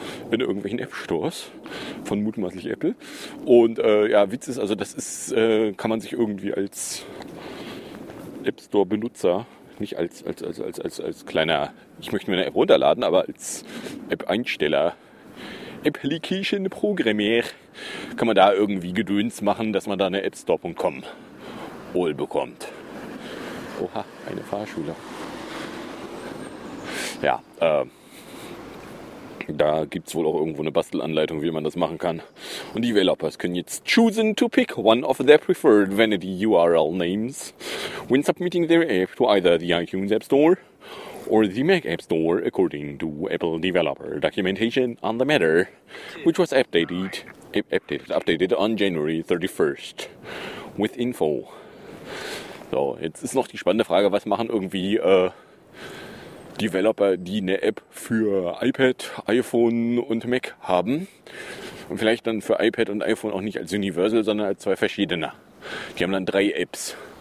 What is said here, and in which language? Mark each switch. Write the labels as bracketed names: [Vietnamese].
[German] In irgendwelchen App-Stores von mutmaßlich Apple. Und ja, Witz ist, also das ist, kann man sich irgendwie als App-Store-Benutzer, nicht als kleiner, ich möchte mir eine App runterladen, aber als App-Einsteller, Application-Programmier, kann man da irgendwie Gedöns machen, dass man da eine App-Store.com Maul bekommt. Oha, eine Fahrschule. Ja, da gibt es wohl auch irgendwo eine Bastelanleitung, wie man das machen kann. Und die Developers können jetzt [English] choosen to pick one of their preferred vanity URL names when submitting their app to either the iTunes App Store or the Mac App Store according to Apple developer documentation on the matter, which was updated on January 31st with info. [German] So, jetzt ist noch die spannende Frage, was machen irgendwie Developer, die eine App für iPad, iPhone und Mac haben. Und vielleicht dann für iPad und iPhone auch nicht als Universal, sondern als zwei verschiedene. Die haben dann drei Apps.